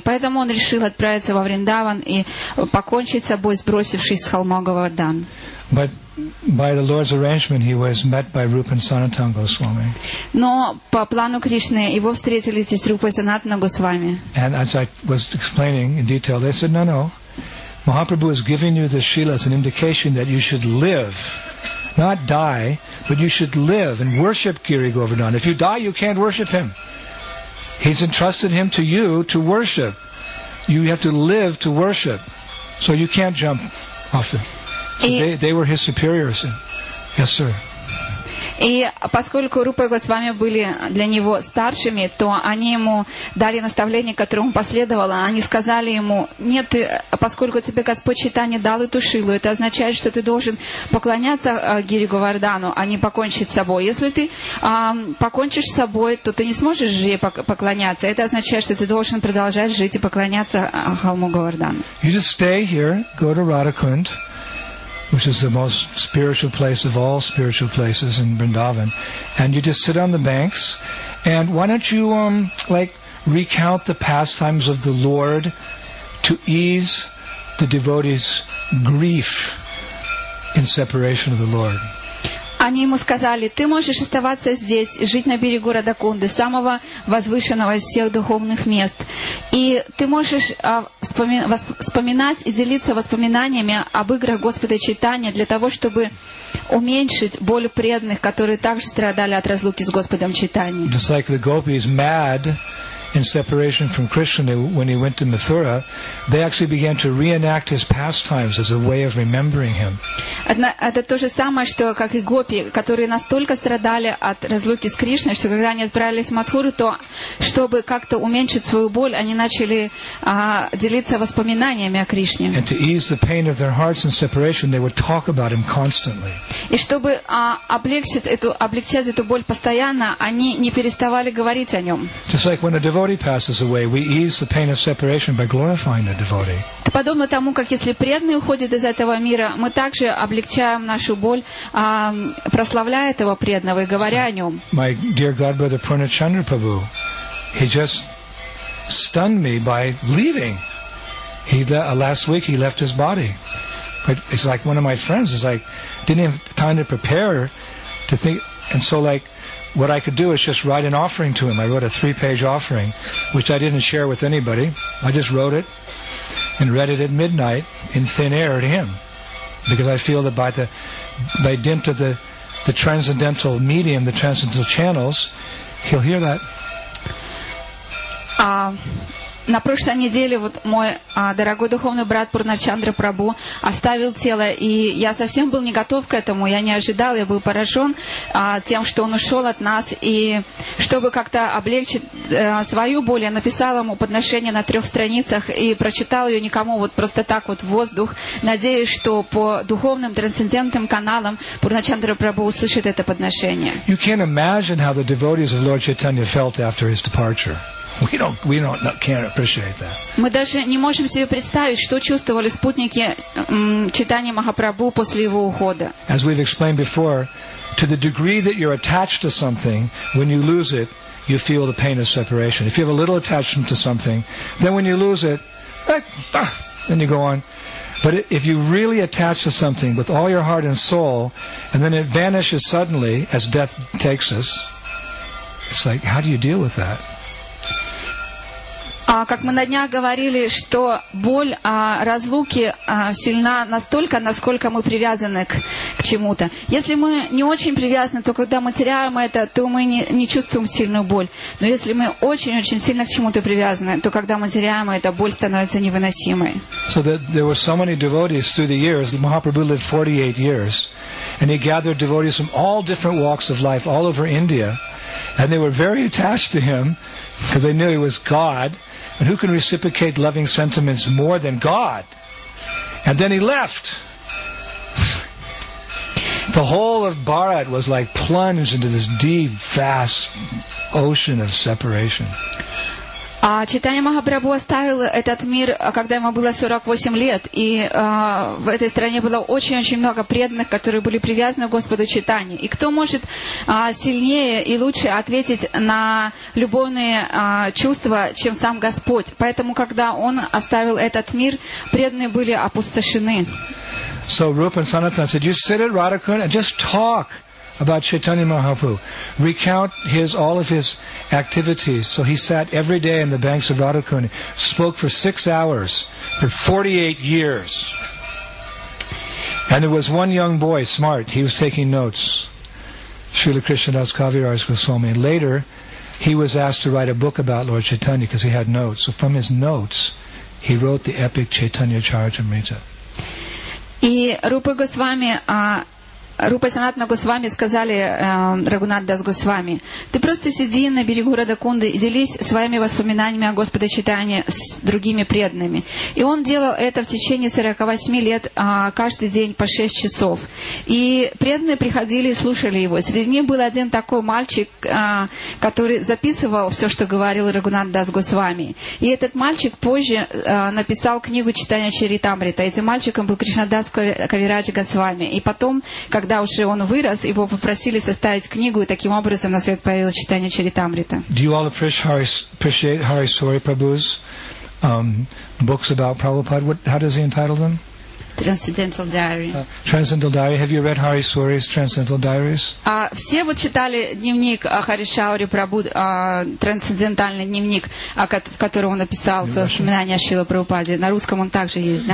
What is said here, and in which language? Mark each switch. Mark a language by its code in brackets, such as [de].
[ru] Поэтому он решил отправиться во Вриндаван и покончить с собой, сбросившись с холма Говардан. [en] By the Lord's arrangement, he was met by Rupa and Sanatana Goswami. [ru] Но по плану Кришны его встретили здесь Рупа и Санатана Госвами. [en] And as I was explaining in detail, they said, "No, Mahaprabhu is giving you this shila as an indication that you should live, not die, but you should live and worship Giri Govardhan. If you die, you can't worship him. He's entrusted him to you to worship. You have to live to worship, so you can't jump off the." So they were his superiors. Yes, sir. [ru] И поскольку Рупа и Госвами были для него старшими, то они ему дали наставление, которому последовало. Они сказали ему: нет, поскольку тебе Господь Чайтанья дал эту шилу, это означает, что ты должен поклоняться Гири Говардану, а не покончить с собой. Если ты покончишь с собой, то ты не сможешь ей поклоняться. Это означает, что ты должен продолжать жить и поклоняться холму Говардану. [en] You just stay here, go to Radhakund, which is the most spiritual place of all spiritual places in Vrindavan, and you just sit on the banks, and why don't you recount the pastimes of the Lord to ease the devotee's grief in separation of the Lord. [ru] Они ему сказали: ты можешь оставаться здесь, жить на берегу Радакунды, самого возвышенного из всех духовных мест. И ты можешь вспоминать и делиться воспоминаниями об играх Господа Чайтанья для того, чтобы уменьшить боль преданных, которые также страдали от разлуки с Господом Чайтаньей. [en] Just like the gopis mad in separation from Krishna when he went to Mathura, they actually began to reenact his pastimes as a way of remembering him. [ru] Это то же самое, что как и гопи, которые настолько страдали от разлуки с Кришной, что когда они отправились в Матхуру, то чтобы как-то уменьшить свою боль, они начали делиться воспоминаниями о Кришне. [en] And to ease the pain of their hearts in separation, they would talk about him constantly. [ru] И чтобы облегчать эту боль постоянно, они не переставали говорить о нем. [en] Just like when a devotee passes away, we ease the pain of separation by glorifying the devotee. [ru] Подобно тому, как если преданный уходит из этого мира, мы также облегчаем нашу боль, прославляя этого преданного и говоря о нем. [en] My dear godbrother Purnachandra Prabhu, he just stunned me by leaving. Last week he left his body. But it's like one of my friends is like, didn't have time to prepare to think. And so what I could do is just write an offering to him. I wrote a 3-page offering, which I didn't share with anybody. I just wrote it and read it at midnight in thin air to him, because I feel that by dint of the transcendental medium, the transcendental channels, he'll hear that. [ru] На прошлой неделе мой дорогой духовный брат Пурначандра Прабу оставил тело, и я совсем был не готов к этому, я не ожидал, я был поражен тем, что он ушел от нас, и чтобы как-то облегчить свою боль, я написал ему подношение на 3 страницах и прочитал ее никому, просто так в воздух, надеясь, что по духовным трансцендентным каналам Пурначандра Прабу услышит это подношение. [en] You can't imagine how the devotees of Lord Chaitanya felt after his departure. We can't appreciate that. [ru] Мы даже не можем себе представить, что чувствовали спутники Чайтаньи Махапрабху после его ухода. [en] As we've explained before, to the degree that you're attached to something, when you lose it, you feel the pain of separation. If you have a little attachment to something, then when you lose it, then you go on. But if you really attach to something with all your heart and soul, and then it vanishes suddenly as death takes us, it's like, how do you deal with that? [ru] Как мы на днях говорили, что боль разлуки сильна настолько, насколько мы привязаны к чему-то. Если мы не очень привязаны, то когда мы теряем это, то мы не чувствуем сильную боль. Но если мы очень-очень сильно к чему-то привязаны, то когда мы теряем это, боль становится невыносимой. [en] So that there were so many devotees through the years. Mahaprabhu lived 48 years. And he gathered devotees from all different walks of life all over India. And they were very attached to him, because they knew he was God. And who can reciprocate loving sentiments more than God? And then he left. The whole of Bharat was plunged into this deep, vast ocean of separation. [ru] А Чайтанья Махапрабху оставил этот мир, когда ему было 48 лет, и в этой стране было очень-очень много преданных, которые были привязаны к Господу Чайтанье. И кто может сильнее и лучше ответить на любовные чувства, чем сам Господь? Поэтому, когда он оставил этот мир, преданные были опустошены. [en] So Rupa and Sanatana said, you sit at Radhakund and just talk about Chaitanya Mahaprabhu. Recount his all of his activities. So he sat every day in the banks of Radhakund, spoke for 6 hours for 48 years. And there was one young boy, smart, he was taking notes. Srila Krishnadas Kaviraj Goswami. Later, he was asked to write a book about Lord Chaitanya because he had notes. So from his notes, he wrote the epic Chaitanya Charitamrita. [ru] И Рупа Госвами, Рупа Санатана Госвами сказали Рагунат Дас Госвами, ты просто сиди на берегу Радхакунды и делись своими воспоминаниями о Господе Чайтанье с другими преданными. И он делал это в течение 48 лет, каждый день по 6 часов. И преданные приходили и слушали его. Среди них был один такой мальчик, который записывал все, что говорил Рагунат Дас Госвами. И этот мальчик позже написал книгу Чайтанья Чаритамрита. Этим мальчиком был Кришнадас Кавирадж Госвами. И потом, когда уже он вырос, его попросили составить книгу, и таким образом на свет появилось Чайтанья Чаритамрита. [en] Do you all appreciate Hari Swari Prabhu's books about Prabhupada? How does he entitle them? Transcendental Diary. Transcendental Diary. Have you read Hari Swari's Transcendental Diaries? [ru] Все вот читали дневник Хари Шаури Прабху, трансцендентальный дневник, в котором он написал свои воспоминания о Шриле Прабхупаде. На русском он также есть, да?